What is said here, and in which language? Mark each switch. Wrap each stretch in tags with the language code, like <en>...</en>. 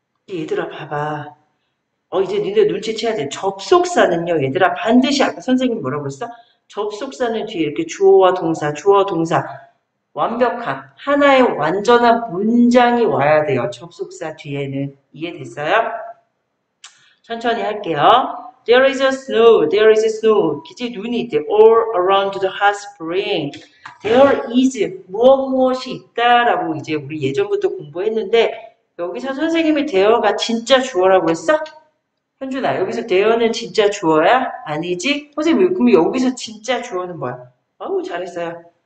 <ko>얘들아 봐봐. 이제 니네 눈치채야 돼. 접속사는요, 얘들아, 반드시 아까 선생님 뭐라고 했어? 접속사는 뒤에 이렇게 주어와 동사, 주어, 동사. 완벽한, 하나의 완전한 문장이 와야 돼요. 접속사 뒤에는. 이해됐어요? 천천히 할게요.</ko> <en>There is a snow, there is a snow.</en> <ko>그치? 눈이 있대.</ko> <en>All around the hot spring.</en> <ko>There is, 무엇무엇이 있다라고 이제 우리 예전부터 공부했는데, 여기서 선생님이 대어가 진짜 주어라고 했어? 현준아, 여기서 대어는 진짜 주어야? 아니지? 선생님, 그럼 여기서 진짜 주어는 뭐야? 어우, 잘했어요.</ko>